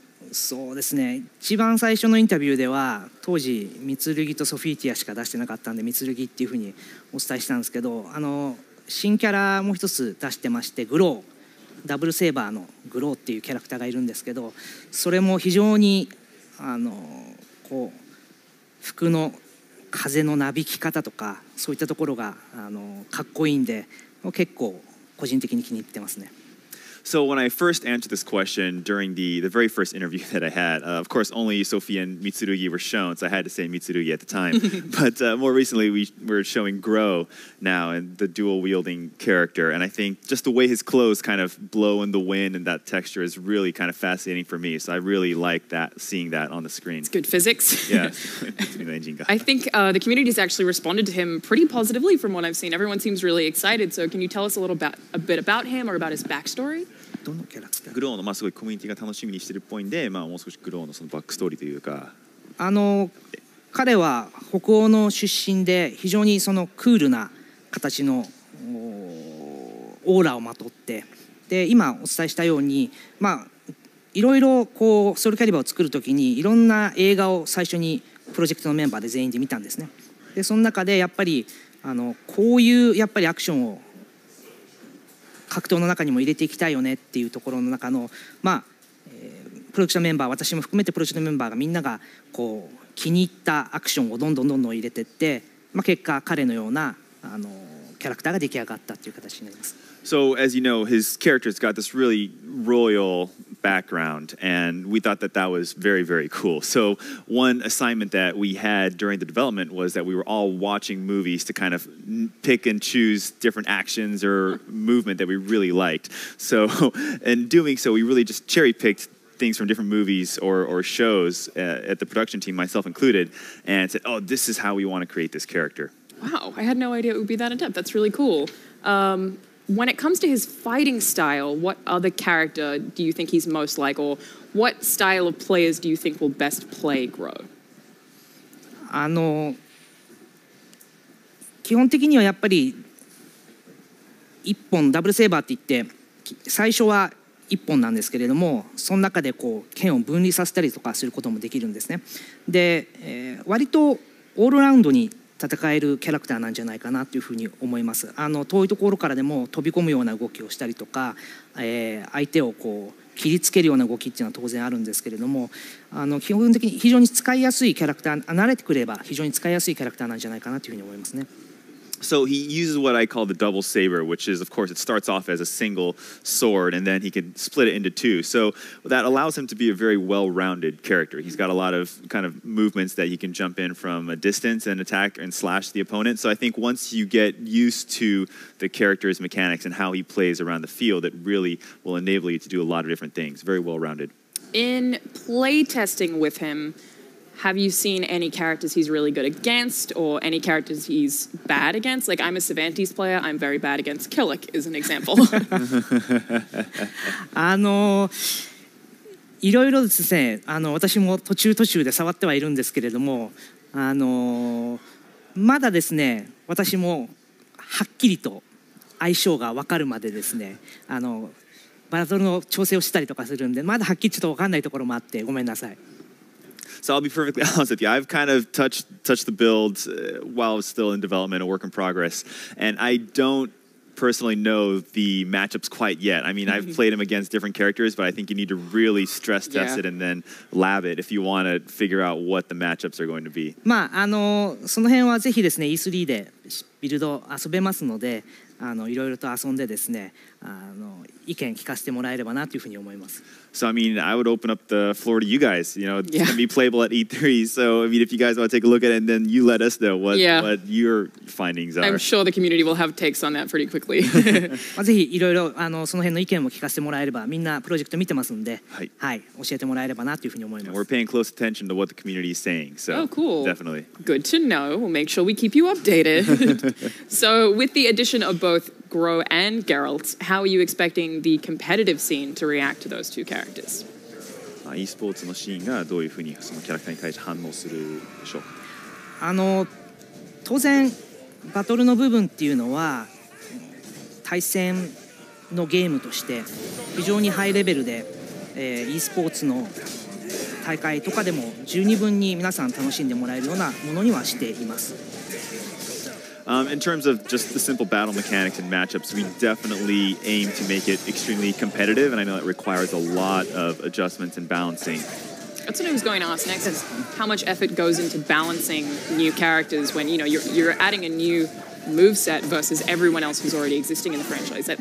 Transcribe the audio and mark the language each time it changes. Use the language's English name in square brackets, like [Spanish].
[Japanese] そうですね、一番最初のインタビューでは当時ミツルギとソフィーティアしか出してなかったんでミツルギっていうふうにお伝えしたんですけど、あの新キャラも一つ出してまして、グロー、ダブルセーバーのグローっていうキャラクターがいるんですけど、それも非常にあのこう服の風のなびき方とかそういったところがあのかっこいいんで、結構個人的に気に入ってますね。 [English] So when I first answered this question during the very first interview that I had, of course, only Sophie and Mitsurugi were shown, so I had to say Mitsurugi at the time. But more recently, we were showing Gro now and the dual-wielding character. And I think just the way his clothes kind of blow in the wind and that texture is really kind of fascinating for me. So I really like that, seeing that on the screen. It's good physics. Yeah. I think the community has actually responded to him pretty positively from what I've seen. Everyone seems really excited. So can you tell us a bit about him or about his backstory? [Japanese] どのキャラクター？グローの、まあ、すごいコミュニティが楽しみにしてるっぽいんで、まあ、もう少しグローのそのバックストーリーというか、あの彼は北欧の出身で非常にそのクールな形のオーラをまとって、で今お伝えしたように、まあいろいろこうソウルキャリバーを作るときにいろんな映画を最初にプロジェクトのメンバーで全員で見たんですね。でその中でやっぱりあのこういうやっぱりアクションを格闘の中にも入れていきたいよねっていうところの中の、まあプロジェクトメンバー、私も含めてプロジェクトメンバーがみんながこう気に入ったアクションをどんどんどんどん入れていって、まあ、結果彼のようなあのキャラクターが出来上がったっていう形になります。 [English] So as you know, his character's got this really royal background, and we thought that that was very, very cool. So one assignment that we had during the development was that we were all watching movies to kind of pick and choose different actions or movement that we really liked. So in doing so, we really just cherry-picked things from different movies or shows at the production team, myself included, and said, oh, this is how we want to create this character. Wow, I had no idea it would be that in depth. That's really cool. When it comes to his fighting style, what other character do you think he's most like, or what style of players do you think will best play Gro? [Japanese] あの、基本的にはやっぱり一本ダブルセーバーって言って、最初は一本なんですけれども、その中でこう剣を分離させたりとかすることもできるんですね。で、割とオールラウンドに戦えるキャラクターなんじゃないかなというふうに思います。あの遠いところからでも飛び込むような動きをしたりとか、相手をこう切りつけるような動きっていうのは当然あるんですけれども、あの基本的に非常に使いやすいキャラクター、慣れてくれば非常に使いやすいキャラクターなんじゃないかなというふうに思いますね。 [English] So he uses what I call the double saber, which is, of course, it starts off as a single sword, and then he can split it into two. So that allows him to be a very well-rounded character. He's got a lot of kind of movements that he can jump in from a distance and attack and slash the opponent. So I think once you get used to the character's mechanics and how he plays around the field, it really will enable you to do a lot of different things. Very well-rounded. In playtesting with him, have you seen any characters he's really good against or any characters he's bad against? Like, I'm a Cervantes player. I'm very bad against Killick, is an example. [Japanese] いろいろですね、私も途中途中で触ってはいるんですけれども、まだですね、私もはっきりと相性が分かるまでですね、バトルの調整をしたりとかするんで、まだはっきりちょっと分かんないところもあって、ごめんなさい。 [English] So I'll be perfectly honest with you. I've kind of touched the build while I was still in development, a work in progress. And I don't personally know the matchups quite yet. I mean, I've played him against different characters, but I think you need to really stress test it and then lab it if you want to figure out what the matchups are going to be. [Japanese] まあ、その辺はぜひですね、E3 でビルド遊べますので、いろいろと遊んでですね、意見聞かせてもらえればなというふうに思います。 [English] So, I mean, I would open up the floor to you guys. You know, it's going to be playable at E3. So, I mean, if you guys want to take a look at it, and then you let us know what your findings are. I'm sure the community will have takes on that pretty quickly. [Japanese] ぜひ、いろいろ、その辺の意見も聞かせてもらえれば、みんなプロジェクト見てますんで、はい、教えてもらえればなというふうに思います。 [English] And we're paying close attention to what the community is saying. So, oh, cool. Definitely. Good to know. We'll make sure we keep you updated. So, with the addition of both Gro and Geralt, how are you expecting the competitive scene to react to those two characters? [Japanese] e スポーツのシーンがどういうふうにそのキャラクターに対して反応するでしょうか。当然バトルの部分っていうのは対戦のゲームとして非常にハイレベルで、e スポーツの大会とかでも十二分に皆さん楽しんでもらえるようなものにはしています。 [English] In terms of just the simple battle mechanics and matchups, we definitely aim to make it extremely competitive, and I know it requires a lot of adjustments and balancing. That's what I was going to ask next, is how much effort goes into balancing new characters when, you know, you're adding a new moveset versus everyone else who's already existing in the franchise.